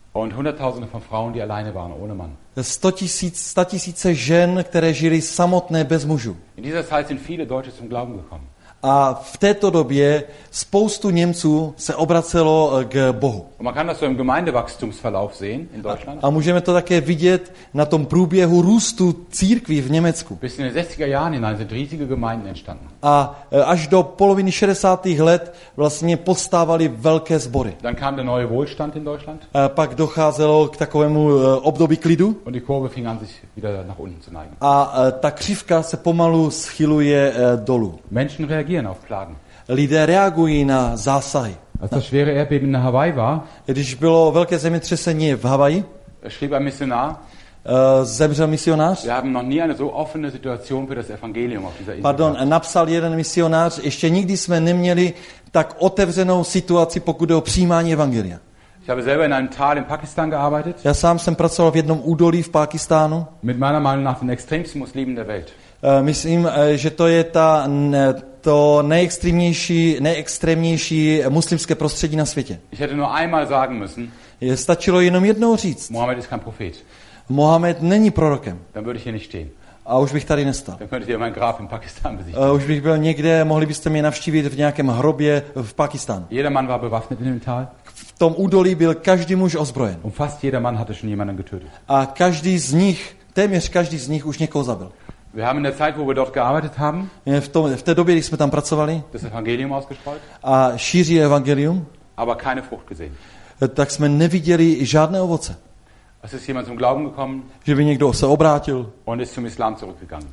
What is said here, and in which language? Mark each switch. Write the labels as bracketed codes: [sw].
[de] Und hunderttausende von Frauen, die alleine waren, ohne Mann. [cs] Statisíce žen, které žili samotné bez mužů. [de] In dieser Zeit sind viele Deutsche zum Glauben gekommen. [cs] A v této době spoustu Němců se obracelo k Bohu. [de] Man kann das so im Gemeindewachstumsverlauf sehen in Deutschland. [cs] A můžeme to také vidět na tom průběhu růstu církví v Německu. [de] Bis in den 60er Jahren hinein sind riesige Gemeinden entstanden. [cs] A až do poloviny 60. let vlastně postávaly velké sbory. [de] Dann kam der neue Wohlstand in Deutschland. [cs] A pak docházelo k takovému období klidu. [de] Und die Kurve fing an sich wieder nach unten zu neigen. [cs] A ta křivka se pomalu schyluje dolů. [de] Menschen reagieren auf Plagen. [cs] Lidé reagují na zásahy. [de] Als das schwere Erdbeben in Hawaii war, [cs] když bylo velké zemětřesení v Hawaii, [de] schrieb ein Missionar, [cs] zemřel misionář. [de] Wir haben noch nie eine so offene Situation für das Evangelium auf dieser Insel. [cs] Pardon, napsal jeden misionář, ještě nikdy jsme neměli tak otevřenou situaci, pokud jde o přijímání evangelia. [de] Ich habe selber in einem Tal in Pakistan gearbeitet. [cs] Já sám jsem pracoval v jednom údolí v Pakistánu. [de] Mit meiner Meinung nach den extremsten Muslimen der Welt. [cs] Myslím, že to je to nejextrémnější muslimské prostředí na světě. [de] Ich hätte nur einmal sagen müssen. [cs] Stačilo jenom jednou říct. [de] Mohammed ist kein Prophet. [cs] Mohammed není prorokem. [de] Dann würde ich hier nicht stehen. [cs] A už bych tady nestal. [de] Dann könntet ihr mein Grab in Pakistan besichtigen. [cs] Už bych byl někde, mohli byste mě navštívit v nějakém hrobě v Pakistánu. [de] Jeder Mann war bewaffnet in dem Tal. [cs] V tom údolí byl každý muž ozbrojen. [de] Und fast jeder Mann hatte schon jemanden getötet. [cs] A každý z nich, téměř každý z nich už někoho zabil. [de] Wir haben in der Zeit, wo wir dort gearbeitet haben, [cs] v té době, když jsme tam pracovali, [de] das Evangelium ausgestrahlt, [cs] a šíří evangelium, [de] aber keine Frucht gesehen. [cs] Tak jsme neviděli žádné ovoce. [de] Es ist jemand zum Glauben gekommen, [cs] že by někdo se obrátil, [de] und ist zum Islam zurückgegangen.